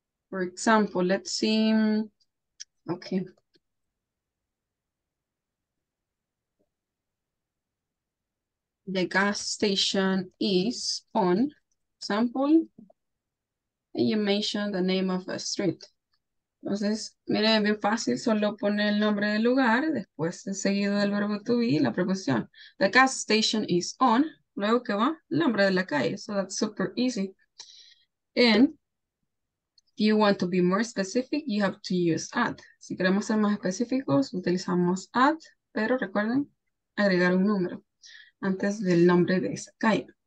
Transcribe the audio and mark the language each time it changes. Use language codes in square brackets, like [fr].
[en] For example, let's see. Okay. The gas station is on. Example. And you mentioned the name of a street. [es] Entonces, miren, es bien fácil. Solo pone el nombre del lugar, después de seguido del verbo to be, la preposición. [en] The gas station is on. [es] Luego que va, el nombre de la calle. [en] So that's super easy. And if you want to be more specific, you have to use at. [es] Si queremos ser más específicos, utilizamos at, pero recuerden agregar un número antes del nombre de esa calle.